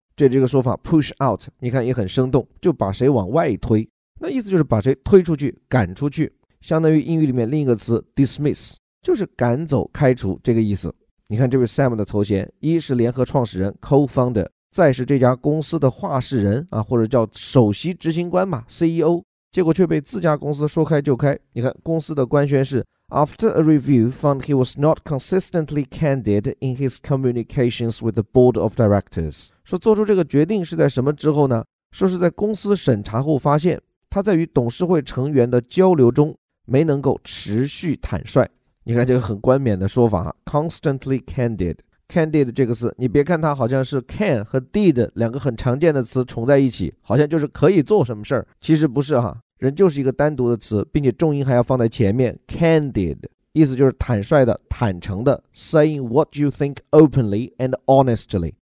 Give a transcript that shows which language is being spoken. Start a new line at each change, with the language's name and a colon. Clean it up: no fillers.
Chinese: 这个说法 push out 你看也很生动，就把谁往外推，那意思就是把谁推出去赶出去，相当于英语里面另一个词 dismiss， 就是赶走开除这个意思。你看这位 Sam 的头衔，一是联合创始人 co-founder， 再是这家公司的话事人啊，或者叫首席执行官嘛 CEO， 结果却被自家公司说开就开。你看公司的官宣是
English: after a review found he was not consistently candid in his communications with the board of directors，
Chinese: 说做出这个决定是在什么之后呢？说是在公司审查后发现他在与董事会成员的交流中没能够持续坦率。你看这个很冠冕的说法，
English: constantly candid，
Chinese: candid 这个词，你别看它好像是 can 和 did 两个很常见的词重在一起，好像就是可以做什么事儿，其实不是哈，人就是一个单独的词，并且重音还要放在前面， candid 意思就是坦率的、坦诚的，
English: saying what you think openly and honestly。